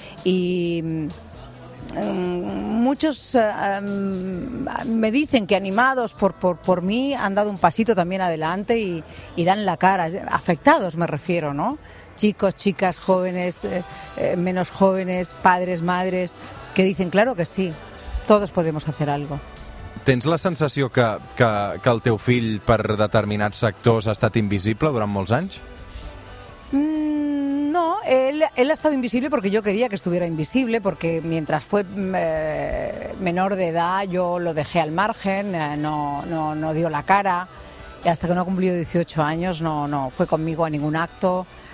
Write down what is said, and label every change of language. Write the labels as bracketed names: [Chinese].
[Spanish] Y muchos me dicen que animados por mí han dado un pasito también adelante y dan la cara, afectados me refiero, ¿no? Chicos, chicas, jóvenes, menos jóvenes, padres, madres, que dicen, claro que sí, todos podemos hacer algo. [Catalan] ¿Tens la sensació que el teu fill, per determinats sectors, ha estat invisible durant molts anys? [Spanish] No, él ha estado invisible porque yo quería que estuviera invisible, porque mientras fue menor de edad yo lo dejé al margen, no dio la cara, y hasta que no cumplió 18 años no fue conmigo a ningún acto.